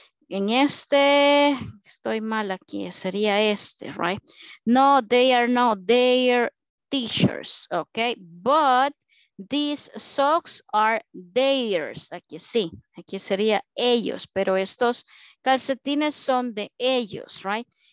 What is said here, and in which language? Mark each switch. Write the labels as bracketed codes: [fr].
[es] En este, estoy mal aquí, sería este, right? [en] No, they are not their t-shirts, okay? But these socks are theirs. [es] Aquí sí, aquí sería ellos, pero estos calcetines son de ellos, [en] right?